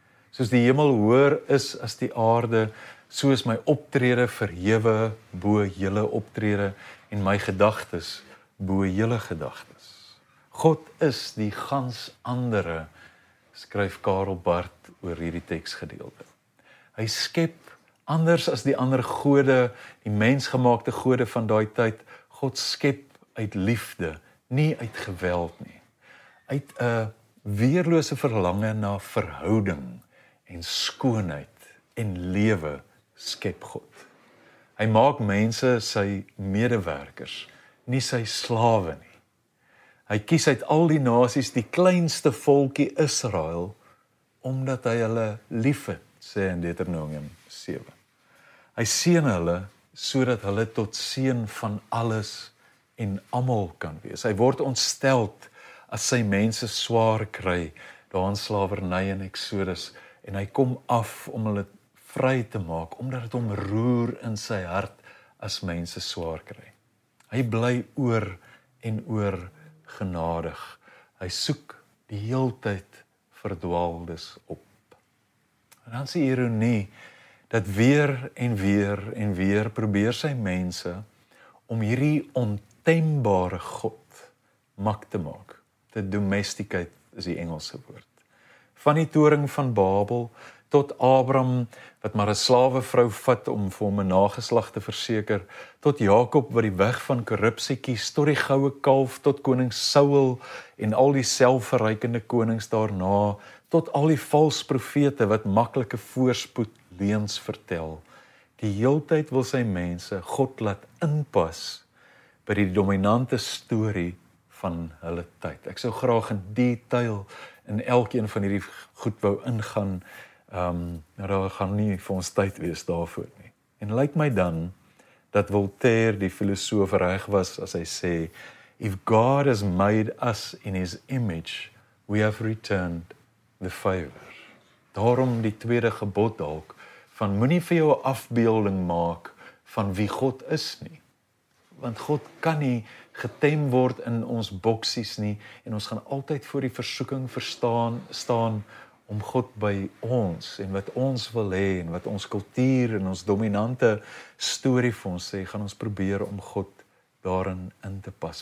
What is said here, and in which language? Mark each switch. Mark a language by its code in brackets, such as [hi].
[af] Soos die hemel hoër is as die aarde, so is my optrede verhewe bo julle optrede en my gedagtes bo julle gedagtes. God is die gans andere, skryf Karel Barth oor hierdie teksgedeelte. Hy skep anders as die ander gode, die mensgemaakte gode van daai tyd. God skep uit liefde, nie uit geweld nie. Uit 'n weerlose verlange na verhouding en skoonheid en lewe skep God. Hy maak mense sy medewerkers, nie sy slawe nie. Hy kies uit al die nasies die kleinste volkie Israel, omdat hy hulle lief het, sê in Deuteronomium 7. Hy seën hulle, sodat hulle tot seën van alles en almal kan wees. Hy word ontsteld as sy mense swaar kry, daar in slavernij in Exodus, en hy kom af om hulle vry te maak, omdat het hom roer in sy hart as mense swaar kry. Hy bly oor en oor genadig. Hy soek die heeltyd verdwaaldes op. En dan is die ironie dat weer en weer en weer probeer sy mense om hierdie ontembare God mak te maak. Te domesticate is die Engelse woord. Van die toring van Babel tot Abraham wat maar 'n slawevrou vat om vir hom 'n nageslag te verseker, tot Jakob wat die weg van korrupsie kies, tot die goue kalf, tot koning Saul en al die selfverrykende konings daarna, tot al die vals profete wat maklike voorspoed leuns vertel. Die heeltyd wil sy mense God laat inpas by die dominante storie van hulle tyd. Ek sou graag in detail in elkeen van hierdie goed wou ingaan, daar gaan nie vir ons tyd wees daarvoor nie. En lyk my dan dat Voltaire die filosoof reg was as hy sê, [en] If God has made us in his image, we have returned the favor. [af] Daarom die tweede gebod dalk van moenie vir jou 'n afbeelding maak van wie God is nie. Want God kan nie getem word in ons boksies nie en ons gaan altyd voor die versoeking verstaan staan om God by ons en wat ons wil hê en wat ons kultuur en ons dominante storie vir ons sê, gaan ons probeer om God daarin in te pas.